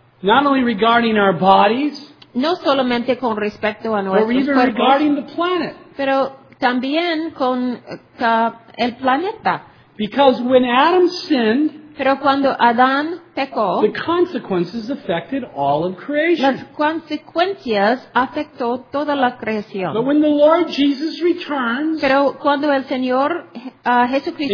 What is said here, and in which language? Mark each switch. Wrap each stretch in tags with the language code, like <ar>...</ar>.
<en>Not only regarding our bodies.</en> <es>No solamente con respecto a nuestros cuerpos.</es> <en>Or even regarding the planet.</en> <es>Pero también con el planeta.</es> <en>Because when Adam sinned,</en> <es>pero cuando Adán pecó,</es> <en>the consequences affected all of creation.</en> <es>Las consecuencias afectó toda la creación.</es> <en>But when the Lord Jesus returns,</en> <es>pero cuando el Señor Jesucristo</es>